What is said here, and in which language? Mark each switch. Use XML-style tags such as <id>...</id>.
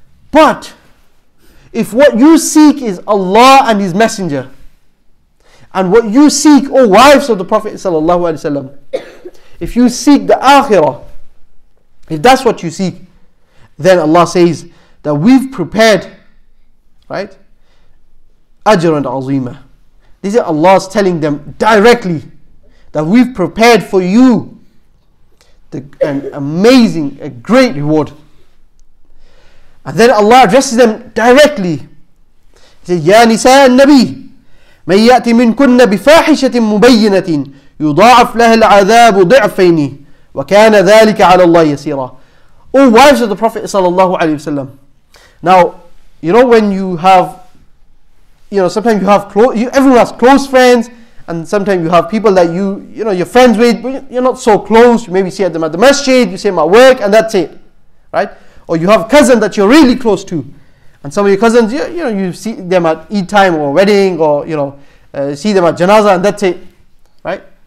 <en>But if what you seek is Allah and His Messenger, and what you seek, O wives of the Prophet sallallahu alaihi wasallam, if you seek the Akhirah, if that's what you seek, then Allah says that we've prepared, right? Ajr and Azima. This is Allah's telling them directly that we've prepared for you an amazing, a great reward. And then Allah addresses them directly. He says,</en> <ar>Ya Nisa al-Nabi, من يأتي منكن بفاحشة مبينة يضاعف لها العذاب ضعفين وكان ذلك على الله يسيرا.</ar> <en>O wives of the Prophet sallallahu alaihi wasallam. Now, you know when you have, you know, sometimes you have everyone has close friends, and sometimes you have people that you know, you're friends with, but you're not so close. You maybe see them at the masjid, you see them at work, and that's it, right? Or you have a cousin that you're really close to. And some of your cousins, you know, you see them at Eid time or wedding, or, you know, see them at janazah, and that's it, right?</en>